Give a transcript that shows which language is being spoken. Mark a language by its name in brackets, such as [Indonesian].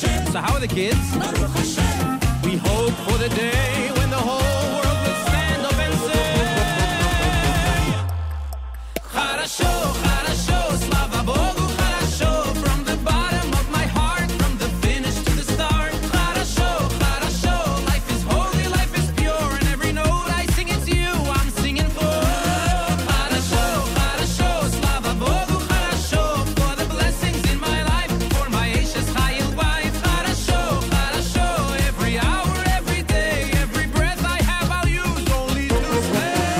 [English] So how are the kids? We hope for the day when the whole world will stand up and say, [Russian] Хорошо, хорошо, слава Богу, хорошо. [English] From the bottom of my heart, from the finish to the start. [Russian] Хорошо, хорошо, [English] life is holy, life is pure. And every note I sing, it's you I'm singing for. [Russian] Хорошо, хорошо, слава Богу, хорошо. [English] For the blessings in my life, for my Asia's high-yield wife. [Russian] Хорошо, хорошо, [English] every hour, every day, every breath I have, I'll use only to play.